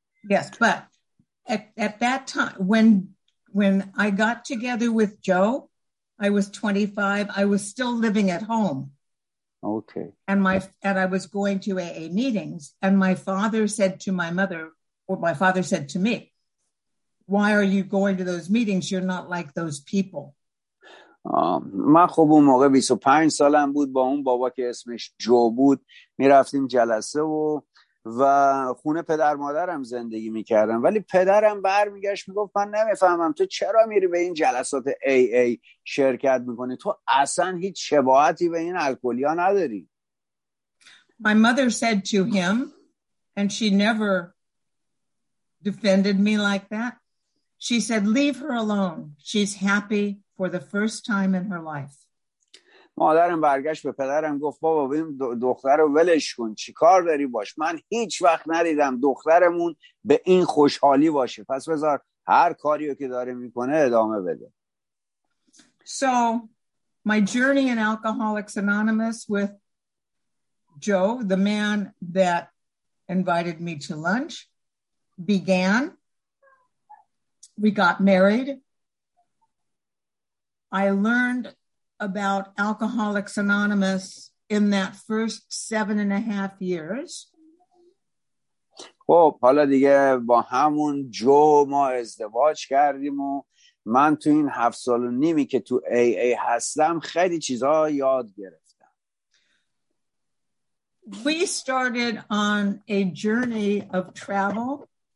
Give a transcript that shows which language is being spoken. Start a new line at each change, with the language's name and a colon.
English: Yes, but at that time, when I got together with Joe, I was 25. I was still living at home. Okay. And I was going to AA meetings, and my father said to my mother, or my father said to me, why are you going to those meetings? You're not like those people.
Persian: من خب اون موقع 25 سالم بود، با اون بابا که اسمش جو بود میرفتیم جلسه و خونه پدر مادرم زندگی میکردم، ولی پدرم برمیگشت میگفت من نمیفهمم تو چرا میری به این جلسات AA شرکت میکنی، تو اصلا هیچ شباهتی به این الکلیا نداری.
English: My mother said to him, and she never defended me like that. She said, leave her alone. She's happy for the first time in her life.
Persian: مادرم برگشت به پدرم گفت بابا ببین دختر رو ولش کن، چی کار داری باش، من هیچ وقت ندیدم دخترمون به این خوشحالی باشه، پس بذار هر کاریو که داره میکنه ادامه بده.
English: So my journey in Alcoholics Anonymous with Joe, the man that invited me to lunch, began. We got married. I learned about Alcoholics Anonymous in that first 7.5 years.
Persian: خب حالا دیگه با همون جو ما ازدواج کردیم و من تو این 7.5 سالی که تو AA هستم خیلی چیزا یاد گرفتم.
English: We started on a journey of travel.